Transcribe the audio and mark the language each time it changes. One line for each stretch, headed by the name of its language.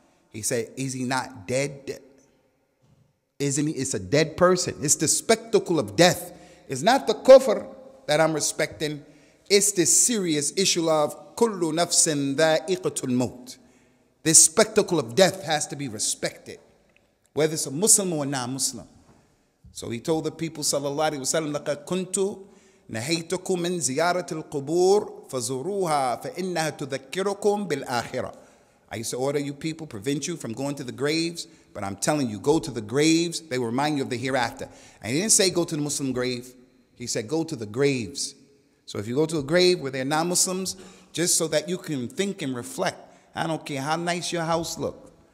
English: He said, is he not dead? It's a dead person. It's the spectacle of death. It's not the kufr that I'm respecting. It's this serious issue of
Arabic: kullu nafsin dha'iqatul maut.
English: This spectacle of death has to be respected, whether it's a Muslim or a non-Muslim. So he told the people, sallallahu alayhi wa sallam,
Arabic: لَقَدْ كُنْتُ نَهَيْتُكُمْ مِنْ زِيَارَةِ الْقُبُورِ فَزُرُوهَا فَإِنَّهَا تُذَكِّرُكُمْ بِالْآخِرَةِ.
English: I used to order you people, prevent you from going to the graves, but I'm telling you, go to the graves, they will remind you of the hereafter. And he didn't say go to the Muslim grave, he said go to the graves. So if you go to a grave where they're non-Muslims, just so that you can think and reflect, I don't care how nice your house look.